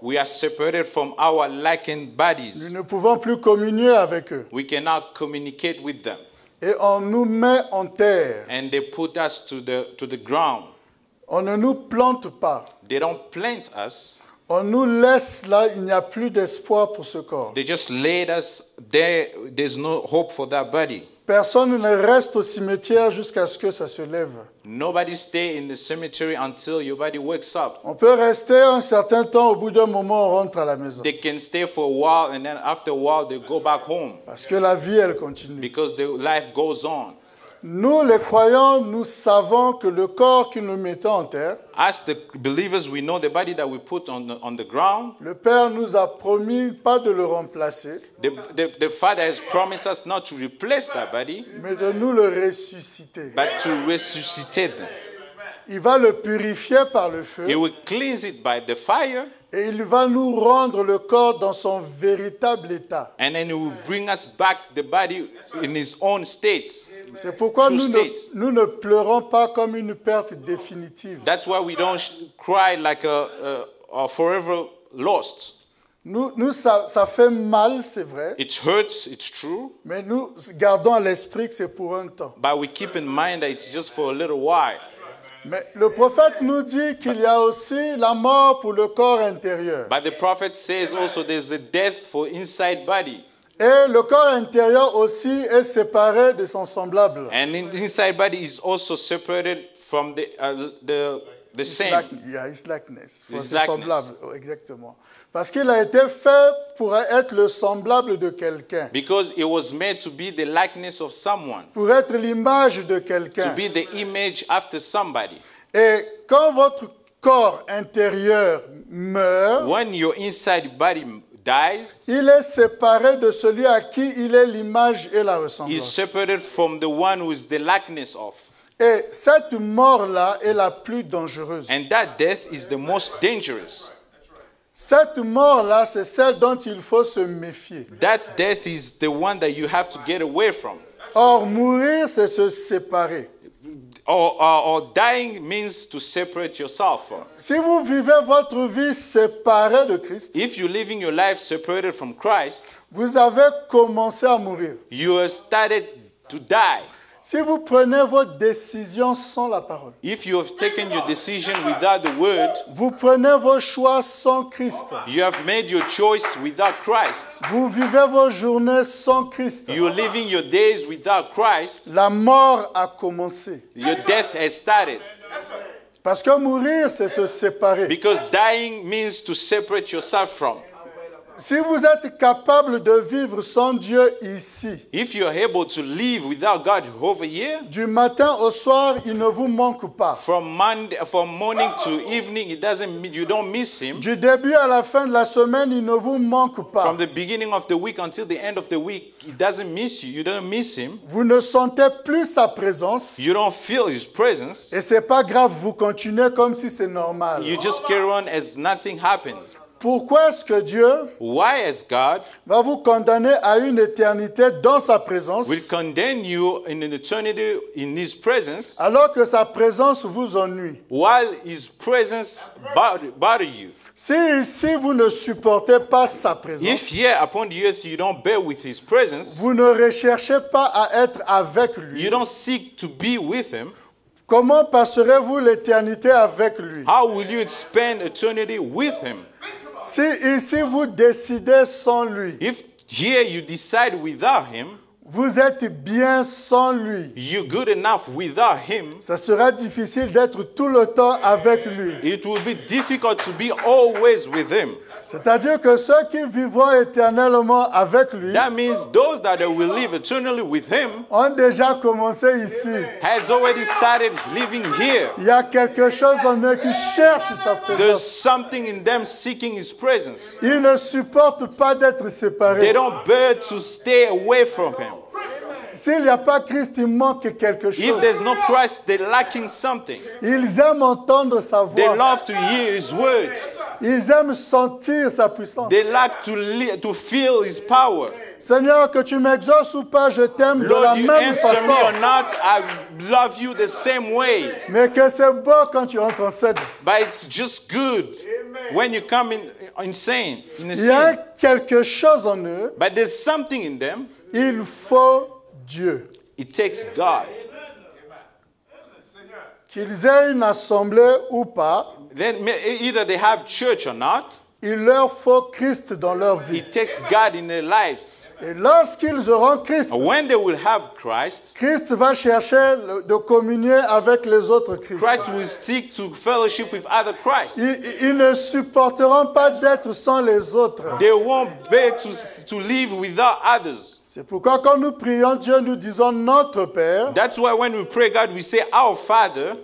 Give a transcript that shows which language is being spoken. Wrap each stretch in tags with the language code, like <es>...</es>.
<en>We are separated from our likened bodies.</en> <fr>Nous ne pouvons plus communier avec eux.</fr> <en>We cannot communicate with them.</en> <fr>Et on nous met en terre.</fr> <en>And they put us to the ground.</en> <fr>On ne nous plante pas.</fr> <en>They don't plant us.</en> <fr>On nous laisse là, il n'y a plus d'espoir pour ce corps.</fr> <en>They just laid us there, there's no hope for that body.</en> <fr>Personne ne reste au cimetière jusqu'à ce que ça se lève.</fr> <en>Nobody stay in the cemetery until your body wakes up.</en> <fr>On peut rester un certain temps, au bout d'un moment on rentre à la maison.</fr> <en>They can stay for a while and then after a while they go back home.</en> <fr>Parce que la vie elle continue.</fr> <en>Because the life goes on.</en> <fr>Nous les croyants, nous savons que le corps qui nous mettait en terre.</fr> <en>As the believers, we know the body that we put on the ground.</en> <fr>Le Père nous a promis pas de le remplacer.</fr> <en>The Father has promised us not to replace that body.</en> <fr>Mais de nous le ressusciter.</fr> <en>But to resuscitate them.</en> <fr>Il va le purifier par le feu.</fr> <en>He will cleanse it by the fire.</en> <fr>Et il va nous rendre le corps dans son véritable état.</fr> <en>And then he will bring us back the body in his own state.</en> <fr>C'est pourquoi nous ne pleurons pas comme une perte définitive.</fr> <en>That's why we don't cry like a forever lost.</en> <fr>Nous ça fait mal, c'est vrai.</fr> <en>It hurts, it's true.</en> <fr>Mais nous gardons à l'esprit que c'est pour un temps.</fr> <en>But we keep in mind that it's just for a little while.</en> <fr>Mais le prophète nous dit qu'il y a aussi la mort pour le corps intérieur.</fr> <en>But the prophet says also there's a death for inside body.</en> <fr>Et le corps intérieur aussi est séparé de son semblable.</fr> <en>And the inside body is also separated from the same. His likeness. His likeness.</en> <fr>Semblable. Oh, exactement. Parce qu'il a été fait pour être le semblable de quelqu'un.</fr> <en>Because it was made to be the likeness of someone.</en> <fr>Pour être l'image de quelqu'un.</fr> <en>To be the image after somebody.</en> <fr>Et quand votre corps intérieur meurt.</fr> <en>When your inside body dies,</en> <fr>il est séparé de celui à qui il est l'image et la ressemblance.</fr> <en>He's separated from the one who is the likeness of.</en> <fr>Et cette mort-là est la plus dangereuse.</fr> <en>And that death is the most dangerous.</en> <fr>Cette mort-là, c'est celle dont il faut se méfier.</fr> <en>That death is the one that you have to get away from.</en> <fr>Or, mourir, c'est se séparer.</fr> <en>Or dying means to separate yourself.</en> <fr>Si vous vivez votre vie séparée de Christ,</fr> <en>if you're living your life separated from Christ,</en> <fr>vous avez commencé à mourir.</fr> <en>You have started to die.</en> <fr>Si vous prenez votre décision sans la parole.</fr> <en>If you have taken your decision without the word.</en> <fr>Vous prenez vos choix sans Christ.</fr> <en>You have made your choice without Christ.</en> <fr>Vous vivez vos journées sans Christ.</fr> <en>You are living your days without Christ.</en> <fr>La mort a commencé.</fr> <en>Your death has started.</en> <fr>Parce que mourir, c'est se séparer.</fr> <en>Because dying means to separate yourself from.</en> <fr>Si vous êtes capable de vivre sans Dieu ici,</fr> <en>if you're able to live without God over here,</en> <fr>du matin au soir, il ne vous manque pas.</fr> <en>From morning to evening, it doesn't mean you don't miss him.</en> <fr>Du début à la fin de la semaine, il ne vous manque pas.</fr> <en>From the beginning of the week until the end of the week, it doesn't miss you. You don't miss him.</en> <fr>Vous ne sentez plus sa présence.</fr> <en>You don't feel his presence.</en> <fr>Et c'est pas grave, vous continuez comme si c'est normal.</fr> <en>You just carry on as nothing happened.</en> <fr>Pourquoi est-ce que Dieu</fr> <en>why is God</en> <fr>va vous condamner à une éternité dans sa présence</fr> <en>will condemn you in an eternity in his presence</en> <fr>alors que sa présence vous ennuie</fr> <en>while his presence bother you?</en> <fr>Si vous ne supportez pas sa présence,</fr> <en>if here upon the earth you don't bear with his presence,</en> <fr>vous ne recherchez pas à être avec lui,</fr> <en>you don't seek to be with him,</en> <fr>comment passerez-vous l'éternité avec lui?</fr> <en>How will you spend eternity with him?</en> <fr>Si ici vous décidez sans lui,</fr> <en>if here you decide without him,</en> <fr>vous êtes bien sans lui.</fr> <en>You're good enough without him.</en> <fr>Ça sera difficile d'être tout le temps avec lui.</fr> <en>It will be difficult to be always with him.</en> <fr>C'est-à-dire que ceux qui vivront éternellement avec lui,</fr> <en>that means those that will live eternally with him,</en> <fr>ont déjà commencé ici.</fr> <en>Has already started living here.</en> <fr>Il y a quelque chose en eux qui cherche sa présence.</fr> <en>There's something in them seeking his presence.</en> <fr>Ils ne supportent pas d'être séparés.</fr> <en>They don't bear to stay away from him.</en> <fr>S'il n'y a pas Christ, il manque quelque chose.</fr> <en>If there's no Christ, they're lacking something.</en> <fr>Ils aiment entendre sa voix.</fr> <en>They love to hear his word.</en> <fr>Ils aiment sentir sa puissance.</fr> <en>They like to feel his power.</en> <fr>Seigneur, que tu m'exauces ou pas, je t'aime</fr> <en>Lord,</en> <fr>de la même façon.</fr> <en>Lord, you answer me or not, I love you the same way.</en> <fr>Mais que c'est beau quand tu entres en scène.</fr> <en>But it's just good when you come insane. In</en> <fr>il y a quelque chose en eux.</fr> <en>But there's something in them.</en> <fr>Il faut Dieu.</fr> <en>It takes God.</en> <fr>Qu'ils aient une assemblée ou pas.</fr> <en>Then either they have church or not.</en> <fr>Il leur faut Christ dans leur vie.</fr> <en>It takes God in their lives.</en> <fr>Et lorsqu'ils auront Christ,</fr> <en>when they will have Christ,</en> <fr>Christ va chercher de communier avec les autres Christ.</fr> <en>Christ will seek to fellowship with other Christ.</en> <fr>Ils ne supporteront pas d'être sans les autres.</fr> <en>They won't bear to live without others.</en> <fr>C'est pourquoi quand nous prions Dieu, nous disons notre Père.</fr> <en>That's why when we pray God, we say our Father.</en>